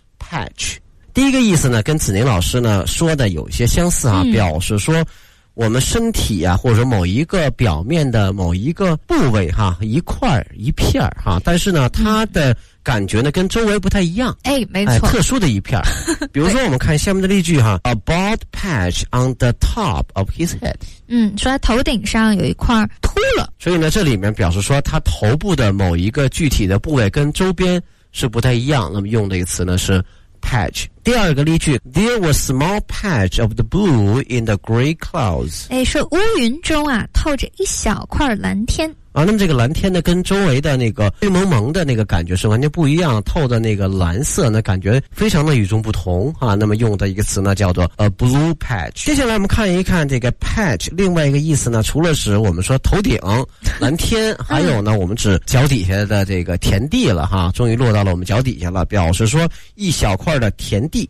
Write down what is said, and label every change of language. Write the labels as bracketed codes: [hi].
[zh] Patch， 第一个意思呢，跟子宁老师呢说的有一些相似啊，表示说我们身体啊，或者说某一个表面的某一个部位哈，一块一片哈，但是呢，它的感觉呢跟周围不太一样，没错，特殊的一片。比如说，我们看下面的例句哈， [en] A bald patch on the top of his head， [zh] 说他头顶上有一块秃了。所以呢，这里面表示说他头部的某一个具体的部位跟周边。是不太一样，那么用的一个词呢是 patch。第二个例句 [en] There was small patch of the blue in the gray clouds， [zh] 说乌云中啊透着一小块蓝天啊，那么这个蓝天呢跟周围的那个绿蒙蒙的那个感觉是完全不一样，透的那个蓝色呢感觉非常的与众不同啊，那么用的一个词呢叫做 [en] a blue patch。 [zh] 接下来我们看一看这个 patch 另外一个意思呢，除了是我们说头顶蓝天，还有呢我们指脚底下的这个田地了哈，终于落到了我们脚底下了，表示说一小块的田地。